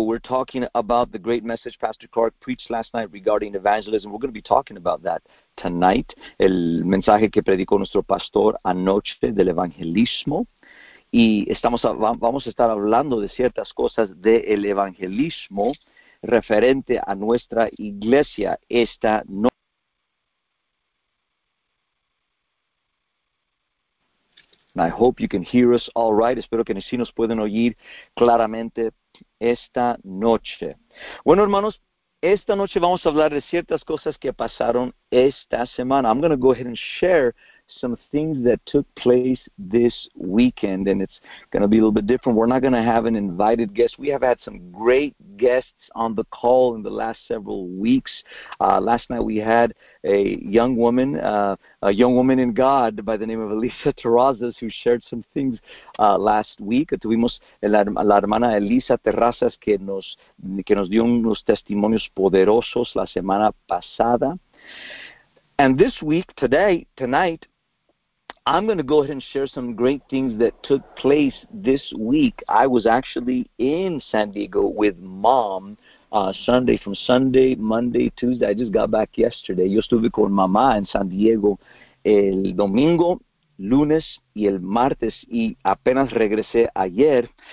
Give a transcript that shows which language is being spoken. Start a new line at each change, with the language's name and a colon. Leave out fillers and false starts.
English: We're talking about the great message Pastor Clark preached last night regarding evangelism. We're going to be talking about that tonight.
Spanish: El mensaje que predicó nuestro pastor anoche del evangelismo. Y vamos a estar hablando de ciertas cosas del evangelismo referente a nuestra iglesia esta noche.
English: I hope you can hear us all right.
Spanish: Espero que sí nos pueden oír claramente esta noche. Bueno, hermanos, esta noche vamos a hablar de ciertas cosas que pasaron esta semana.
English: I'm going to go ahead and share some things that took place this weekend, and it's going to be a little bit different. We're not going to have an invited guest. We have had some great guests on the call in the last several weeks. Last night we had a young woman in God by the name of Elisa Terrazas, who shared some things last week.
Spanish: Tuvimos la hermana Elisa Terrazas que nos dio unos testimonios poderosos la semana pasada.
English: And this week, tonight, I'm going to go ahead and share some great things that took place this week. I was actually in San Diego with Mom Monday, Tuesday. I just got back yesterday.
Spanish: Yo estuve con mamá en San Diego el domingo, lunes y el martes, y apenas regresé ayer.